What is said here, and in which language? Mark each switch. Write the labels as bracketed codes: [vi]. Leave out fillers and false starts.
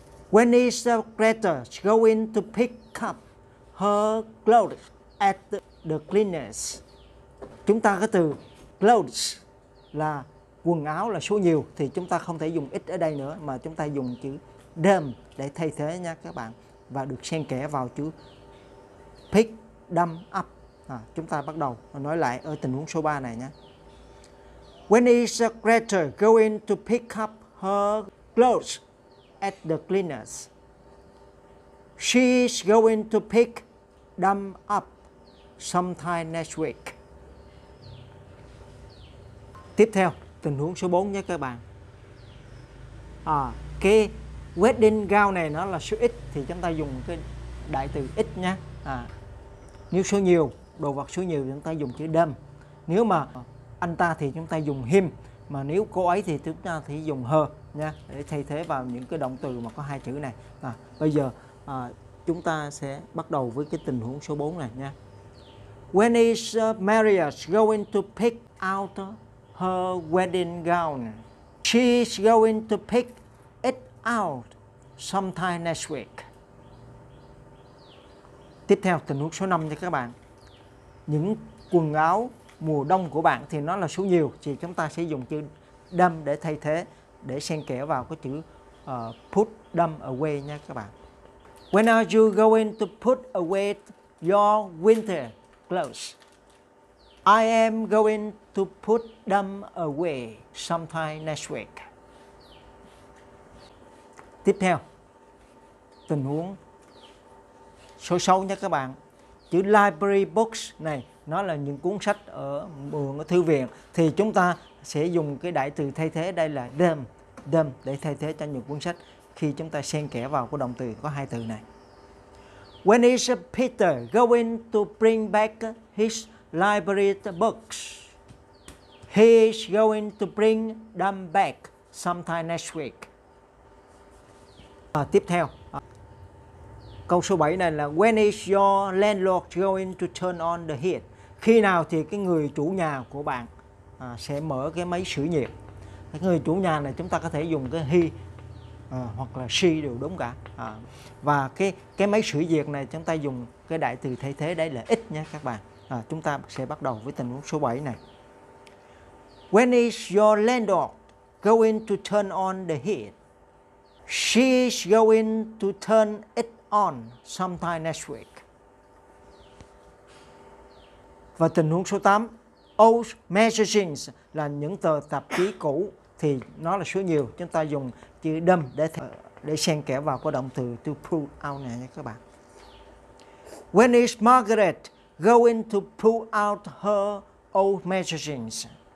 [en] When is Greta going to pick up her clothes at the cleaners? [vi] Chúng ta cái từ clothes là quần áo là số nhiều thì chúng ta không thể dùng it ở đây nữa mà chúng ta dùng chữ them để thay thế nha các bạn và được xen kẽ vào chữ [en] pick them up. [vi] Chúng ta bắt đầu nói lại ở tình huống số 3 này nhé. [en] When is Greta going to pick up her clothes at the cleaners? She is going to pick them up sometime next week. [vi] Tiếp theo, tình huống số 4 nha các bạn. Cái wedding gown này nó là số ít thì chúng ta dùng cái đại từ ít nha. Nếu số nhiều, đồ vật số nhiều chúng ta dùng chữ them. Nếu mà anh ta thì chúng ta dùng him, mà nếu cô ấy thì chúng ta thì dùng her nha, để thay thế vào những cái động từ mà có hai chữ này. Bây giờ chúng ta sẽ bắt đầu với cái tình huống số 4 này nha. [en] When is Maria going to pick out her wedding gown? She's going to pick it out sometime next week. [vi] Tiếp theo tình huống số 5 cho các bạn. Những quần áo mùa đông của bạn thì nó là số nhiều, thì chúng ta sẽ dùng chữ dump để thay thế, để xen kẽ vào cái chữ [en] put them away [vi] nha các bạn. [en] When are you going to put away your winter clothes? I am going to put them away sometime next week. [vi] Tiếp theo, tình huống số 6 nha các bạn. Chữ library books này, nó là những cuốn sách ở buồng ở thư viện. Thì chúng ta sẽ dùng cái đại từ thay thế đây là them. Them để thay thế cho những cuốn sách khi chúng ta xen kẽ vào của động từ có hai từ này. [en] When is Peter going to bring back his library books? He is going to bring them back sometime next week. [vi] Tiếp theo. Câu số 7 này là [en] when is your landlord going to turn on the heat? [vi] Khi nào thì cái người chủ nhà của bạn sẽ mở cái máy sưởi nhiệt? Người chủ nhà này chúng ta có thể dùng cái he hoặc là she đều đúng cả. Và cái máy sưởi nhiệt này chúng ta dùng cái đại từ thay thế đấy là it nha các bạn. Chúng ta sẽ bắt đầu với tình huống số 7 này. [en] When is your landlord going to turn on the heat? She is going to turn it on sometime next week. [vi] Và tình huống số 8. Old magazines là những tờ tạp chí cũ thì nó là số nhiều. Chúng ta dùng chữ dump để xen kẽ vào cái động từ [en] to pull out [vi] này nha các bạn. [en] When is Margaret going to pull out her old magazines?